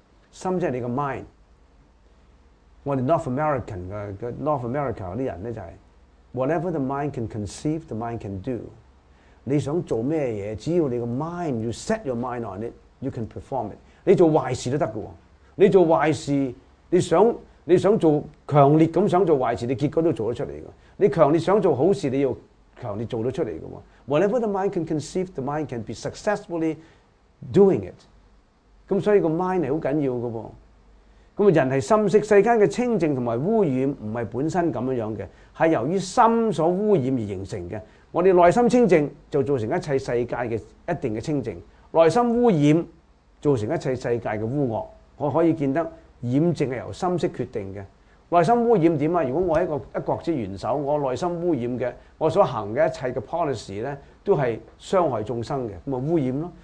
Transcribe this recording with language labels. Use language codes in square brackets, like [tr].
[zh] 心即是你的 mind。我們 North American 的 North America 的人就是 [en] Whatever the mind can conceive, the mind can do。 [zh] 你想做什麼事情，只要你的 mind, [en] you set your mind on it, you can perform it。 [zh] 你做壞事都可以，你做壞事，你想做強烈地想做壞事，你結果都做得出來的。你強烈想做好事，你要強烈做得出來的。 [en] Whatever the mind can conceive, the mind can be successfully doing it。 [zh] 所以個 mind 是很重要的。人是心識，世間的清淨和污染不是本身這樣的，是由於心所污染而形成的。我們內心清淨就造成一切世界的一定的清淨，內心污染造成一切世界的污惡。我可以見得染淨是由心識決定的。內心污染怎樣？如果我是一國之元首，我內心污染的，我所行的一切的 policy 呢都是傷害眾生的，那就污染咯。